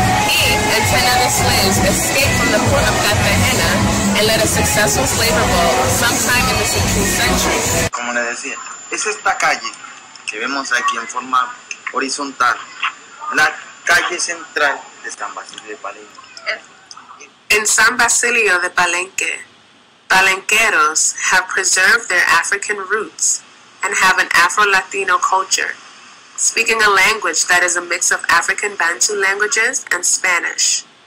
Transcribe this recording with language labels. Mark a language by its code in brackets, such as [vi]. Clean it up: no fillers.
[en] He and 10 other slaves escaped from the port of Cartagena and led a successful slave revolt sometime in the 16th century. [es] Como le decía, es esta calle que vemos aquí en forma horizontal, la calle central de San Basilio de Palenque. [en] In San Basilio de Palenque, Palenqueros have preserved their African roots and have an Afro-Latino culture, speaking a language that is a mix of African Bantu languages and Spanish.